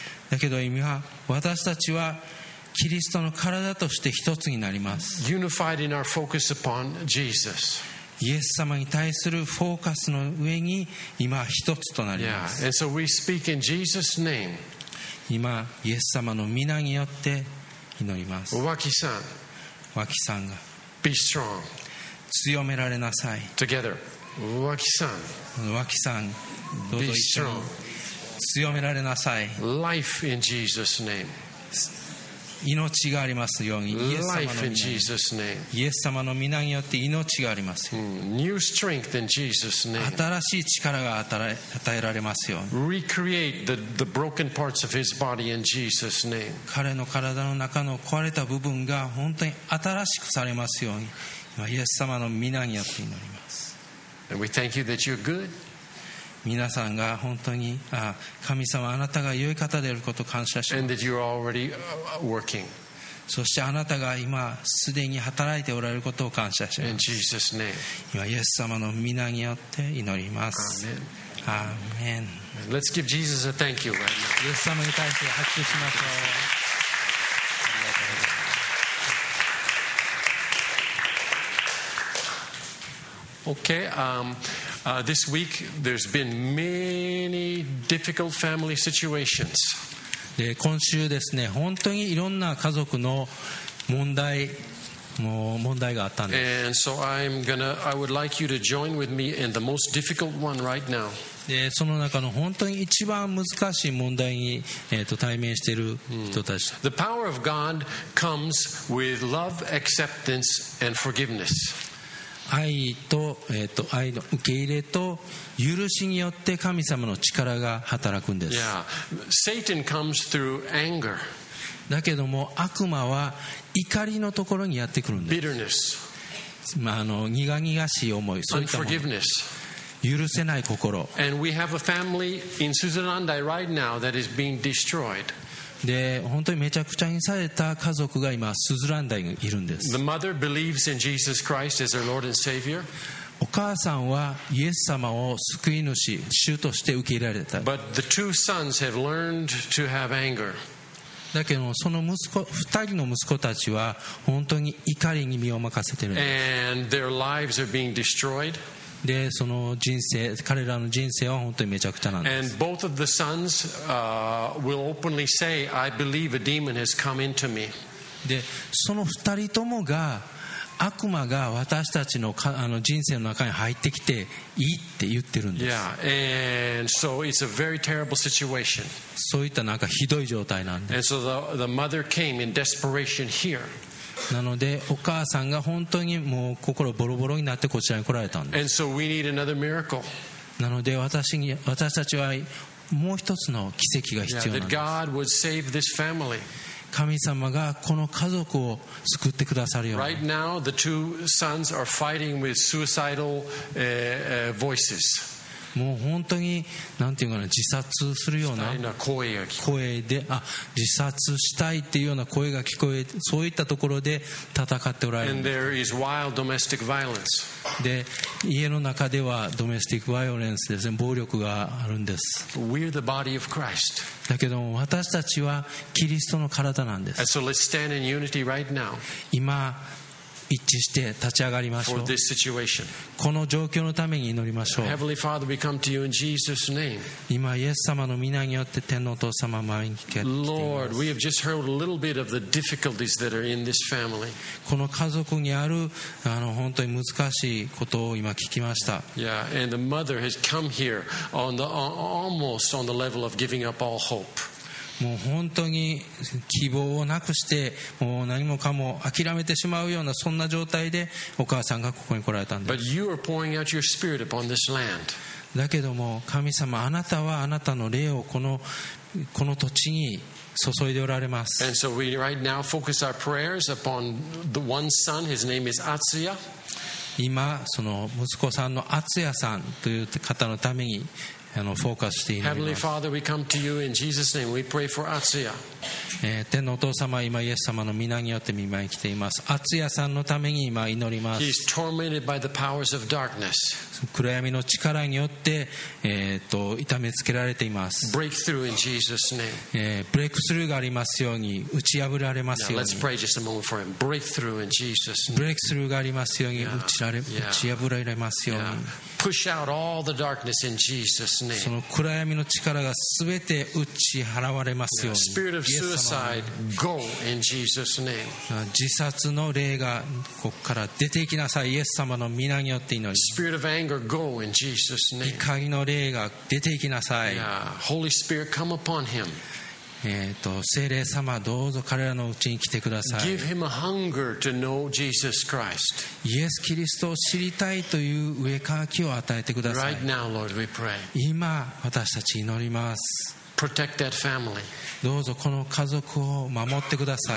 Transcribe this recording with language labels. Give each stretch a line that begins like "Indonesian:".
Japanese: だけど今私たちはキリストの体として一つになります。
English: Unified in our focus upon Jesus.
Japanese: イエス様に対するフォーカスの上に今一つとなります。 Yeah.
English: And so we speak in Jesus' name.
Japanese: 今イエス様の御名によって祈ります。脇さん、脇さんが
English: Be strong.
Japanese: 強められなさい。
English: Together. 脇さん、
Japanese: 脇さん、どうぞ一緒に
English: Be strong.
Japanese: 強められなさい。
English: Life in Jesus' name.
Japanese: 命がありますように、イエス様の皆、イエス様の皆によって命がありますように。新しい力が与えられますように。
English: Recreate the broken parts of his body in Jesus name.
Japanese: 彼の体の中の壊れた部分が本当に新しくされますように、今イエス様の皆によって祈ります。
English: And we thank you that you're good.
Japanese: 皆さんが本当に、あ、神様、あなたが良い方であることを感謝します。
English: And that you're already working.
Japanese: そしてあなたが今すでに働いておられることを感謝します。
English: In Jesus' name.
Japanese: 今イエス様の御名によって祈ります。アーメン。
English: Let's give Jesus a thank you right now.
Japanese: イエス様に対して拍手しましょう。
English: Okay, this week there's been many difficult family situations.
Japanese: で、今週ですね、本当にいろんな家族の問題があったんです。
English: And so I would like you to join with me in the most difficult one right now.
Japanese: で、その中の本当に一番難しい問題に、対面している人たち。
English: The power of God comes with love, acceptance, and forgiveness.
Japanese: 愛と、愛の受け入れと許しによって神様の力が働くんです。 Yeah.
English: Satan comes through anger.
Japanese: だけども悪魔は怒りのところにやってくるんです。
English: Bitterness.
Japanese: まあ、苦々しい思い、そういったもの。
English: Unforgiveness.
Japanese: 許せない心。
English: And we have a family in Suzanandai right now that is being destroyed.
Japanese: で、本当にめちゃくちゃにされた家族が今スズランダイにいるんです。
English: The mother believes in Jesus Christ as their Lord and Savior.
Japanese: お母さんはイエス様を救い主、主として受け入れられた。
English: But the two sons have learned to have anger.
Japanese: だけどその二人の息子たちは本当に怒りに身を任せているんです。
English: And their lives are being destroyed.
Japanese: で、その人生、彼らの人生は本当にめちゃくちゃなんです。
English: And both of the sons, will openly say, I believe a demon has come into me.
Japanese: で、その二人ともが悪魔が私たち の人生の中に入ってきていいって言ってるんです。 Yeah.
English: And so it's a very terrible situation.
Japanese: そういったなんかひどい状態なんです。
English: And so the mother came in desperation here.
Japanese: なのでお母さんが本当にもう心ボロボロになってこちらに来られたんです。
English: And so we need another miracle.
Japanese: なので私たちはもう一つの奇跡が必要なんです。
English: That God would save this family.
Japanese: 神様がこの家族を救ってくださるように。
English: Right now the two sons are fighting with suicidal voices.
Japanese: もう本当に、なんていうかな、自殺するような声で、あ、自殺したいっていうような声が聞こえ、そういったところで戦っておられる。
English: And there is wild domestic violence.
Japanese: で、家の中ではドメスティックバイオレンスですね、暴力があるんです。
English: We're the body of Christ.
Japanese: だけども私たちはキリストの体なんです。
English: And so let's stand in unity right now.
Japanese: 今一致して立ち上がりましょう。この状況のために祈りましょう。
English: Heavenly Father, we come to you in Jesus' name.
Japanese: 今イエス様の御名によって天皇と様前に来ています。
English: Lord, we have just heard a little bit of the difficulties that are in this family.
Japanese: この家族にある本当に難しいことを今聞きました。
English: Yeah, and the mother has come here almost on the level of giving up all hope.
Japanese: もう本当に希望をなくしてもう何もかも諦めてしまうようなそんな状態でお母さんがここに来られたんです。
English: But you are pouring out your spirit upon this land.
Japanese: だけども神様、あなたはあなたの霊をこの土地に注いでおられます。
English: And so we right now focus our prayers upon the one son. His name is Atsuya.
Japanese: 今その息子さんの敦也さんという方のためにフォーカスして祈ります。
English: Heavenly Father, we come to you in Jesus' name. We pray for Atsuya.
Japanese: 天のお父様、今イエス様の御名によって御前に来ています。Atsuyaさんのために今祈ります。
English: He's tormented by the powers of darkness.
Japanese: 暗闇の力によって、痛めつけられています。
English: Breakthrough in Jesus' name.
Japanese: ブレイクスルーがありますように、打ち破られますように。
English: Now let's pray just a moment for him. Breakthrough in Jesus' name.
Japanese: ブレイクスルーがありますように、打ち破られますように。
English: Push out all the darkness in Jesus' name.
Japanese: その暗闇の力がすべて打ち払われますように。
English: Spirit of suicide, go in Jesus' name.
Japanese: 自殺の霊がここから出ていきなさい。イエス様の御名によって祈り。
English: Spirit of anger, go in Jesus' name.
Japanese: 怒りの霊が出ていきなさい。
English: Holy Spirit, come upon him.
Japanese: 聖霊様どうぞ彼らのうちに来てください。
English: Give him a hunger to know Jesus Christ.
Japanese: イエス・キリストを知りたいという飢え渇きを与えてください。
English: Right now, Lord, we pray.
Japanese: 今私たち祈ります。
English: Protect that family.
Japanese: どうぞこの家族を守ってください。